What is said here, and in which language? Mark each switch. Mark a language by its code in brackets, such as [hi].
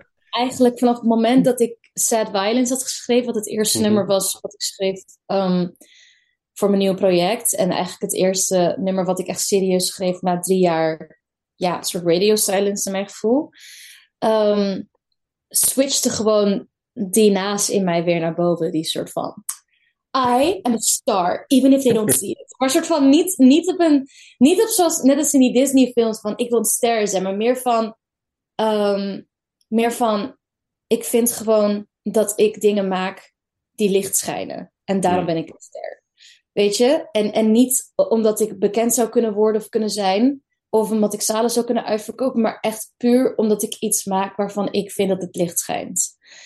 [nl] eigenlijk vanaf het moment dat ik Sad Violence had geschreven, wat het eerste nummer was wat ik schreef voor mijn nieuwe project. En eigenlijk het eerste nummer wat ik echt serieus schreef na 3 jaar, ja, een soort radio silence in mijn gevoel. Switchte gewoon die naas in mij weer naar boven, die soort van. [en] I am a star, even if they don't see it. [nl] Maar een soort van niet op zoals net als in die Disney-films van ik wil een ster zijn, maar meer van ik vind gewoon dat ik dingen maak die licht schijnen en daarom ben ik een ster. Weet je? En niet omdat ik bekend zou kunnen worden of kunnen zijn, of omdat ik zalen zou kunnen uitverkopen, maar echt puur omdat ik iets maak waarvan ik vind dat het licht schijnt.